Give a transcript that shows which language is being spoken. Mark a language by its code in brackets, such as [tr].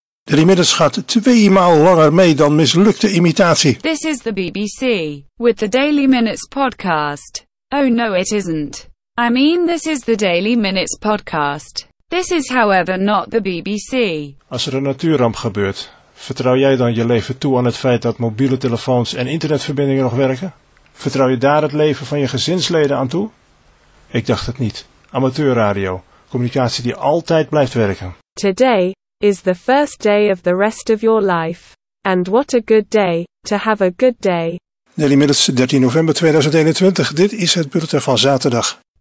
[nl] Drie minutes gaat twee maal langer mee dan mislukte imitatie. [en] This is the BBC, with the Daily Minutes podcast. Oh no, it isn't. I mean, this is the Daily Minutes podcast. This is however not the BBC. [nl] Als er een natuurramp gebeurt, vertrouw jij dan je leven toe aan het feit dat mobiele telefoons en internetverbindingen nog werken? Vertrouw je daar het leven van je gezinsleden aan toe? Ik dacht het niet. Amateurradio, communicatie die altijd blijft werken. [en] Today is the first day of the rest of your life. And what a good day, to have a good day. [nl] Daily Minutes, 13 november 2021. Dit is het bulletin van zaterdag.